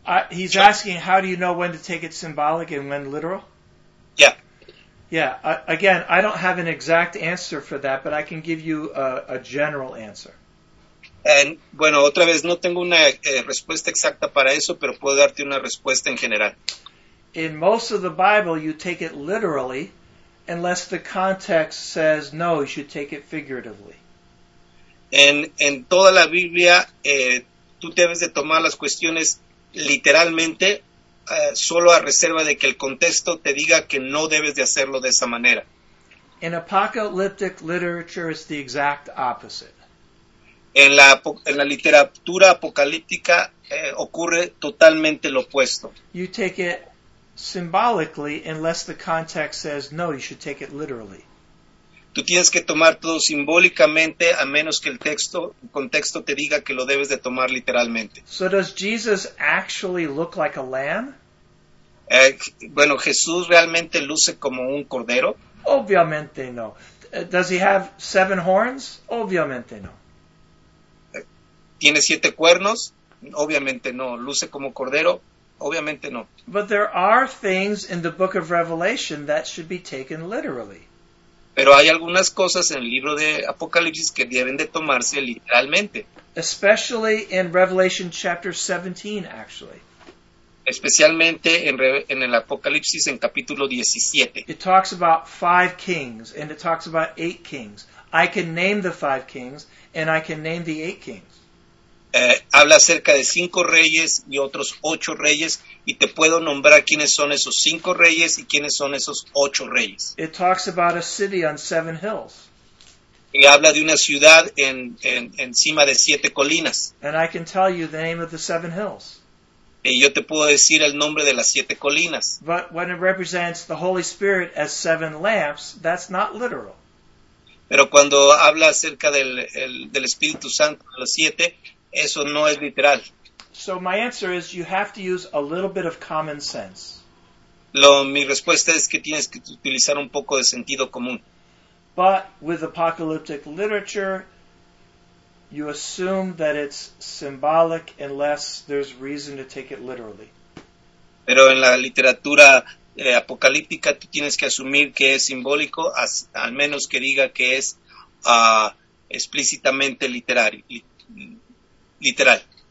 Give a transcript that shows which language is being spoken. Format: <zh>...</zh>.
<en>He's asking, how do you know when to take it symbolic and when literal? Yeah. Yeah. Again, I don't have an exact answer for that, but I can give you a general answer.</en> <es>Bueno, otra vez, no tengo una respuesta exacta para eso, pero puedo darte una respuesta en general.</es> <en>In most of the Bible, you take it literally, unless the context says no, you should take it figuratively.</en> <es>En toda la Biblia, tú debes de tomar las cuestiones literalmente, solo a reserva de que el contexto te diga que no debes de hacerlo de esa manera.</es> <en>In apocalyptic literature, it's the exact opposite.</en> <es>En la literatura apocalíptica ocurre totalmente lo opuesto.</es> <en>You take it symbolically unless the context says no, you should take it literally.</en> <es>Tú tienes que tomar todo simbólicamente a menos que el contexto te diga que lo debes de tomar literalmente.</es> <en>So does Jesus actually look like a lamb?</en> <es>Bueno, ¿Jesús realmente luce como un cordero? Obviamente no.</es> <en>Does he have 7 horns? Obviamente no.</en> <es>¿Tiene 7 cuernos? Obviamente no. ¿Luce como cordero? Obviamente no.</es> <en>But there are things in the book of Revelation that should be taken literally.</en> <es>Pero hay algunas cosas en el libro de Apocalipsis que deben de tomarse literalmente.</es> <en>Especially in Revelation chapter 17, actually.</en> <es>Especialmente en el Apocalipsis en capítulo 17.</es> <en>It talks about 5 kings and it talks about 8 kings. I can name the 5 kings and I can name the 8 kings.</en> <es>Habla acerca de 5 reyes y otros 8 reyes, y te puedo nombrar quiénes son esos 5 reyes y quiénes son esos 8 reyes.</es> <en>It talks about a city on 7 hills.</en> <es>Y habla de una ciudad en encima de 7 colinas.</es> <en>And I can tell you the name of the 7 hills.</en> <es>Y yo te puedo decir el nombre de las 7 colinas.</es> <en>But when it represents the Holy Spirit as 7 lamps, that's not literal.</en> <es>Pero cuando habla acerca del Espíritu Santo de los 7, eso no es literal.</es> <en>So my answer is you have to use a little bit of common sense.</en> <es>Mi respuesta es que tienes que utilizar un poco de sentido común.</es> <en>But with apocalyptic literature, you assume that it's symbolic unless there's reason to take it literally.</en> <es>Pero en la literatura apocalíptica tú tienes que asumir que es simbólico, al menos que diga que es explícitamente literario.</es> <en>Literal.</en>